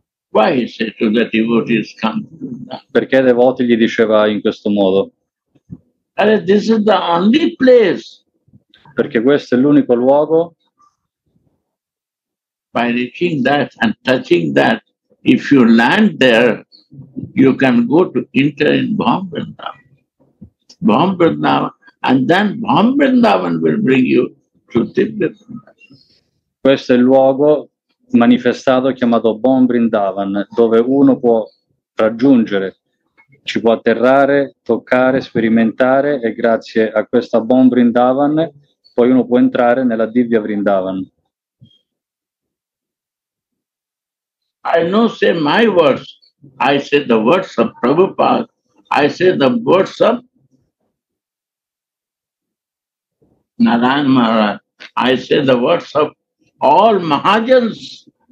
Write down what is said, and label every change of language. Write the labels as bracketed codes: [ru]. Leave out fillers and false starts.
[en] Why he said to the devotees, come to Vrindavan? [it] Perché i devoti gli diceva in questo modo. [en] And this is the only place. [it] Perché questo è l'unico luogo. [en] By reaching that and touching that, if you land there, you can go to enter in Bhambrindavan, and then Bhambrindavan will bring you to Tibet. [it] Questo è il luogo manifestato chiamato Bhambrindavan, dove uno può raggiungere, ci può atterrare, toccare, sperimentare, e grazie a questa Bhambrindavan, poi uno può entrare nella Divya Vrindavan. [en] I don't say my words, I say the words of Prabhupada, I say the words of Narayan Maharaj, I say the words of all Mahajans,